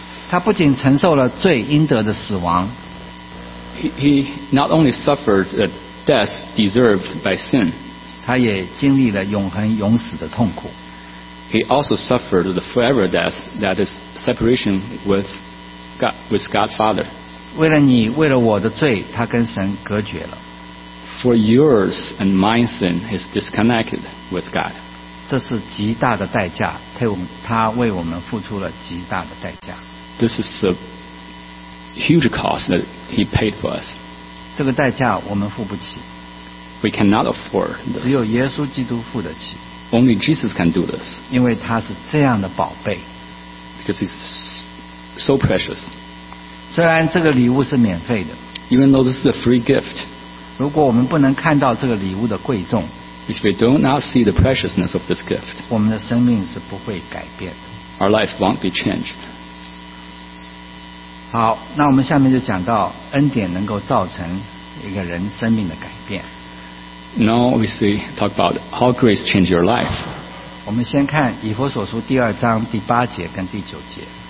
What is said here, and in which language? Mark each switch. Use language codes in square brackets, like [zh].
[zh] 他不仅承受了罪应得的死亡。 [en] He not only suffered a death deserved by sin. [zh] 他也经历了永恒永死的痛苦。 [en] He also suffered the forever death that is separation with God, with Godfather. [zh] 为了你，为了我的罪，他跟神隔绝了。 [en] For yours and my sin, he's disconnected with God. [zh] 这是极大的代价，他为我们付出了极大的代价。 [en] This is a huge cost that he paid for us. [zh] 这个代价我们付不起。 [en] We cannot afford this. [zh] 只有耶稣基督付得起。 [en] Only Jesus can do this. [zh] 因为他是这样的宝贝。 [en] Because he's So precious. [zh] 虽然这个礼物是免费的 [en] Even though this is a free gift. [zh] 如果我们不能看到这个礼物的贵重 [en] If we do not see the preciousness of this gift. [zh] 我们的生命是不会改变的 [en] Our life won't be changed. [zh] 好那我们下面就讲到恩典能够造成一个人生命的改变 [en] Now we see, talk about how grace changed your life. [zh] 我们先看以弗所书第二章第八节跟第九节